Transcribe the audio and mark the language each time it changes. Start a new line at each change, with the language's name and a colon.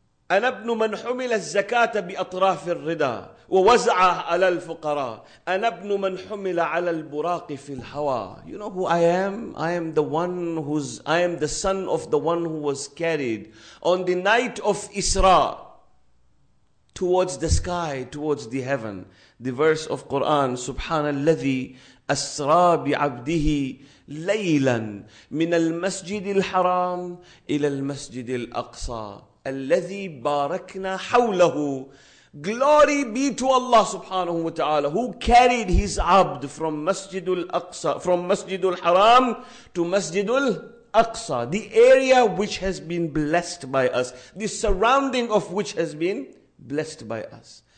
Arabic: أنا ابن من حمل الزكاة بأطراف الرداء ووزعه على الفقراء. أنا ابن من حمل على البراق في الهوى.
English: You know who I am? I am the son of the one who was carried on the night of Isra towards the sky, towards the heaven. The verse of Quran,
Arabic: سبحان الذي أسرى بعبده ليلا من المسجد الحرام إلى المسجد الأقصى الذي باركنا حوله.
English: Glory be to Allah subhanahu wa ta'ala, who carried his abd from Masjid al-Aqsa, from Masjid al-Haram to Masjid al-Aqsa, the area which has been blessed by us, the surrounding of which has been blessed by us.